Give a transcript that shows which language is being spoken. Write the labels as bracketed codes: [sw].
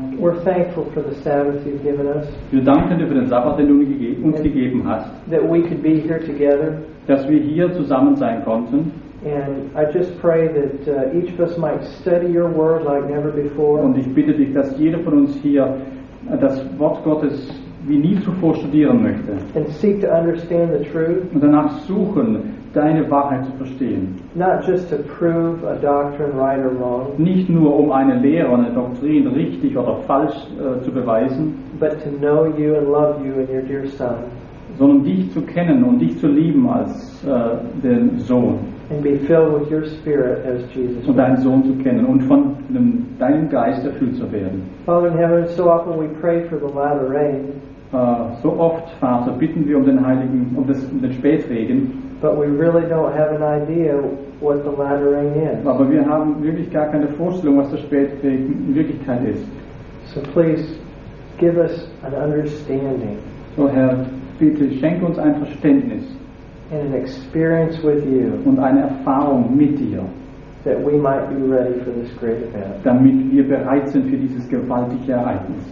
[en] we're thankful for the Sabbath you've given us. [de] Wir danken dir für den Sabbat, den du uns gegeben hast. [en] That we could be here together. [de] Dass wir hier zusammen sein konnten. [en] And I just pray that each of us might study your word like never before. [de] Und ich bitte dich, dass jeder von uns hier das Wort Gottes wie nie zuvor studieren möchte. [en] And seek to understand the truth. [de] Und danach suchen, deine Wahrheit zu verstehen. [en] Not just to prove a doctrine right or wrong. [de] Nicht nur um eine Lehre und eine Doktrin richtig oder falsch zu beweisen. [en] But to know you and love you and your dear son. [de] Sondern dich zu kennen und dich zu lieben als den Sohn. [en] And be filled with your spirit as Jesus. [de] Und deinen Sohn zu kennen und von deinem Geist erfüllt zu werden. [en] Father in heaven, so often we pray for the latter rain. [de] So oft, Vater, bitten wir um den Heiligen, um den Spätregen. [en] But we really don't have an idea what the latter rain is. [de] Aber wir haben wirklich gar keine Vorstellung, was der Spätregen in Wirklichkeit ist. [en] So please give us an understanding. [de] So Herr, bitte schenke uns ein Verständnis. [en] And an experience with you, [de] und eine Erfahrung mit dir, [en] that we might be ready for this great event, [de] damit wir bereit sind für dieses gewaltige Ereignis.